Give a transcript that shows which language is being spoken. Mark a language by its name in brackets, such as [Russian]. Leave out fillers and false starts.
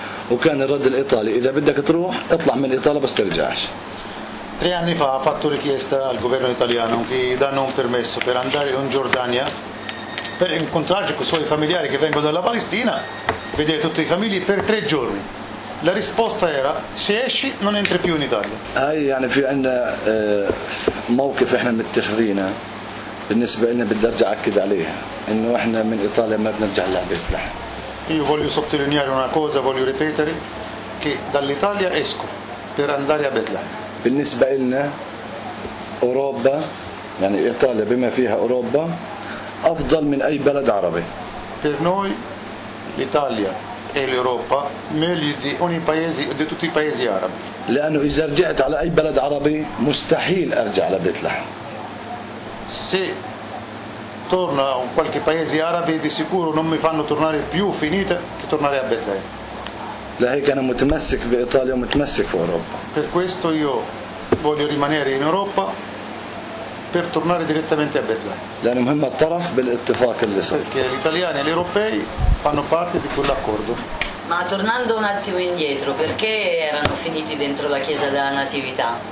[Arabic] وكان الرد الإيطالي إذا بدك تروح اطلع من إيطاليا بس ترجعش. [Italian] Tre anni fa ha fatto richiesta al governo italiano che danno un permesso per andare in Giordania per incontrarci con i suoi familiari che vengono dalla Palestina, vedere tutti i famigli per tre giorni. La risposta era: se esci non entri più in Italia. [Arabic] Hai, يعني في عندنا موقف احنا متخذينا بالنسبه لنا بدي ارجع اكد عليها انه احنا من ايطاليا ما بنرجع لبيتنا. [Italian] Io voglio sottolineare una cosa, voglio ripetere che dall'Italia esco per andare a Betlehem. [Arabic] بالنسبة لنا أوروبا يعني إيطاليا بما فيها أوروبا أفضل من أي بلد عربي. [Italian] Per noi l'Italia e l'Europa meglio di ogni paese di tutti i paesi arabi. [Arabic] لأنه إذا رجعت على أي بلد عربي مستحيل أرجع لبيت لحم. [Italian] Se torno a qualche paese arabo di sicuro non mi fanno tornare più finita che tornare a Betlehem. [Arabic] لهيك أنا متمسك بإيطاليا ومتمسك في أوروبا. [Italian] Per questo io voglio rimanere in Europa per tornare direttamente a Betlehem. [Arabic] لأن مهم الطرف بالاتفاق اللي صار. [Italian] Perché gli italiani e gli europei fanno parte di quell'accordo. Ma tornando un attimo indietro, perché erano finiti dentro la chiesa della Natività?